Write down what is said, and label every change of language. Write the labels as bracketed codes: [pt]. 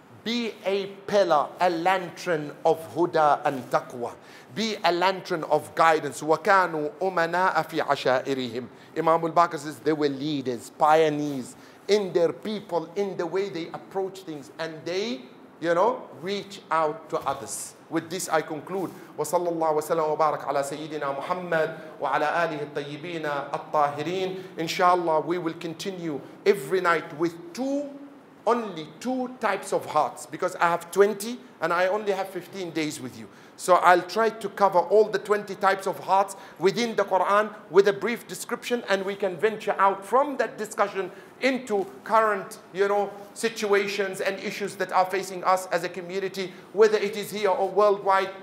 [en] Be a pillar, a lantern of huda and taqwa. Be a lantern of guidance. [ar] وَكَانُوا أُمَنَاءَ فِي عَشَائِرِهِمْ. [en] Imam al-Baqir says they were leaders, pioneers in their people, in the way they approach things, and they, you know, reach out to others. With this, I conclude. [ar] وصلى الله وسلم وبارك على سيدنا محمد وعلى آله الطيبين الطاهرين. [en] Inshallah, we will continue every night with two only two types of hearts, because I have 20 and I only have 15 days with you. So I'll try to cover all the 20 types of hearts within the Quran with a brief description, and we can venture out from that discussion into current, you know, situations and issues that are facing us as a community, whether it is here or worldwide.